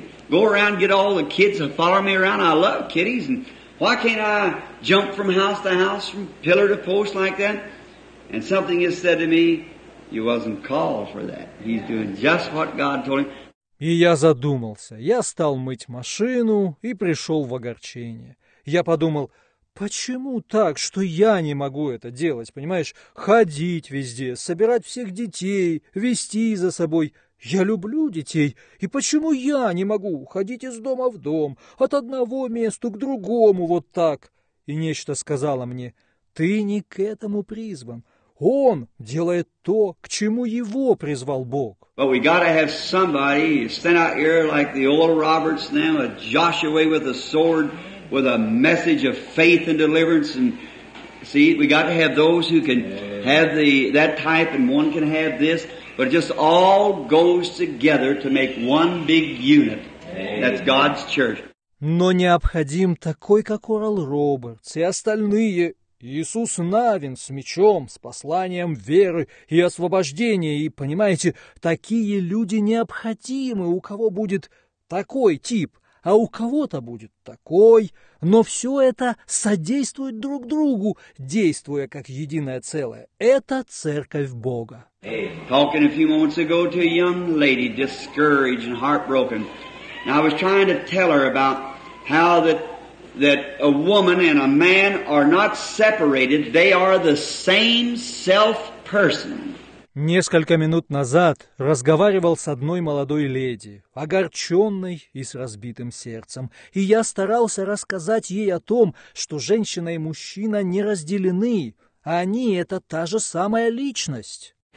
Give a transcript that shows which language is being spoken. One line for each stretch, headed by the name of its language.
English: Go around, get all the kids to follow me around. I love kitties, and why can't I jump from house to house, from pillar to post like that? And something is said to me, you wasn't called for that. He's doing just what God told him.
Russian: И я задумался. Я стал мыть машину и пришел в огорчение. Я подумал, почему так, что я не могу это делать, понимаешь? Ходить везде, собирать всех детей, вести за собой. Я люблю детей, и почему я не могу ходить из дома в дом, от одного места к другому вот так? И нечто сказало мне, ты не к этому призван. Он делает то, к чему его призвал Бог.
English: But we gotta have somebody stand out here like the old Roberts and them, a Joshua with a sword, with a message of faith and deliverance. And see, we got to have those who can have the that type, and one can have this. But it just all goes together to make one big unit. That's God's church.
Russian: Но необходим такой, как Орел Робертс, и остальные. Иисус Навин с мечом, с посланием веры и освобождения. И, понимаете, такие люди необходимы, у кого будет такой тип, а у кого-то будет такой. Но все это содействует друг другу, действуя как единое целое. Это церковь Бога.
English: Talking a few moments ago to a young lady, discouraged and heartbroken. And I was trying to tell her about how that a woman and a man are not separated, they are the same self person.
Russian: Несколько минут назад разговаривал с одной молодой леди, огорченной и с разбитым сердцем, и я старался рассказать ей о том, что женщина и мужчина не разделены, а они – это та же самая личность.